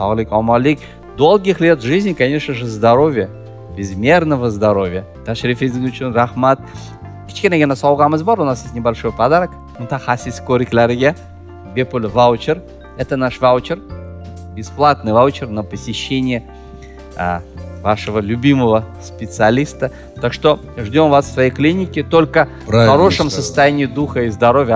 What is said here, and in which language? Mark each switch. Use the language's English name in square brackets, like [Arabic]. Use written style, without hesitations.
[Russian] Sog'lik, omonlik, долгих лет жизни, конечно же, здоровья, безмерного здоровья. [Uzbek] Tashrifingiz uchun rahmat. Kichkinagina sovg'amiz bor, u nasiz небольшой подарок. Mutaxassis ko'riklariga bepul voucher. [Russian] Это наш voucher. Бесплатный voucher на посещение вашего любимого специалиста. Так что ждем вас в своей клинике. Только правильно, в хорошем состоянии духа и здоровья.